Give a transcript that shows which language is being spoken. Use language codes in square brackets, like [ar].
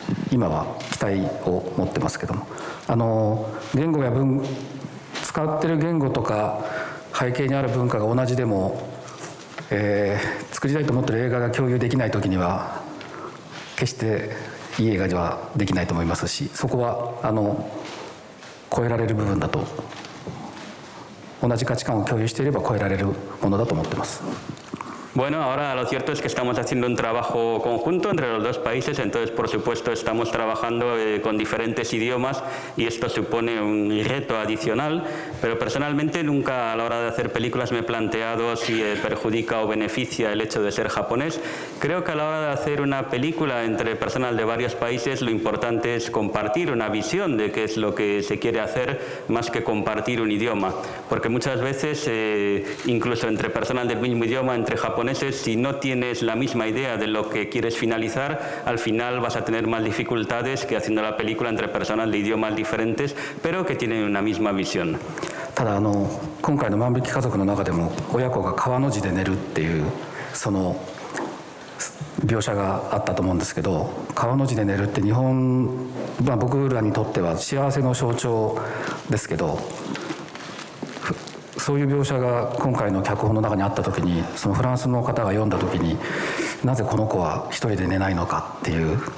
[ja] 今は期待を持ってますけども、言語や文使ってる言語とか背景にある文化が同じでも、作りたいと思ってる映画が共有できない時には決していい映画ではできないと思いますし、そこは超えられる部分だと、同じ価値観を共有していれば超えられるものだと思ってます。 [es] Bueno, ahora lo cierto es que estamos haciendo un trabajo conjunto entre los dos países, entonces por supuesto estamos trabajando con diferentes idiomas y esto supone un reto adicional, pero personalmente nunca a la hora de hacer películas me he planteado si perjudica o beneficia el hecho de ser japonés. Creo que a la hora de hacer una película entre personas de varios países lo importante es compartir una visión de qué es lo que se quiere hacer más que compartir un idioma, porque muchas veces incluso entre personas del mismo idioma, entre japoneses, si no tienes la misma idea de lo que quieres finalizar, al final vas a tener más dificultades que haciendo la película entre personas de idiomas diferentes, pero que tienen una misma visión. [ja] ただ今回の万引き家族の中でも親子が川の字で寝るっていうその描写があったと思うんですけど、川の字で寝るって日本、まあ、僕らにとっては幸せの象徴ですけど、そういう描写が今回の脚本の中にあった時に、そのフランスの方が読んだ時に、なぜこの子は一人で寝ないのかっていう